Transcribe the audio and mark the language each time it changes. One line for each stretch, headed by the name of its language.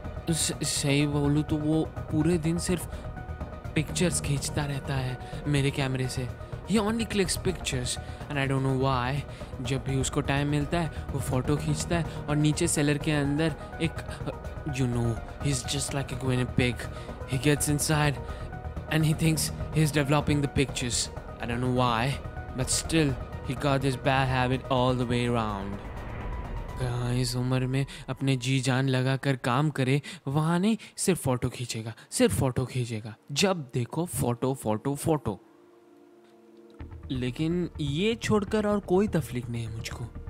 Hindi: सही बोलूँ तो वो पूरे दिन सिर्फ पिक्चर्स खींचता रहता है मेरे कैमरे से,
English: he only clicks pictures and I don't know why,
Hindi: जब भी उसको टाइम मिलता है वो फोटो खींचता है और नीचे सेलर के अंदर एक
English: You know he is just like a guinea pig, He gets inside and he thinks he's developing the pictures. I don't know why, but still, he got this bad habit all the way around.
Hindi: जहाँ इस उम्र में अपने जी जान लगा कर काम करे वहाँ नहीं, सिर्फ फोटो खींचेगा, सिर्फ फोटो खींचेगा, जब देखो फोटो फोटो फोटो। लेकिन ये छोड़कर और कोई तफलीक नहीं है मुझको।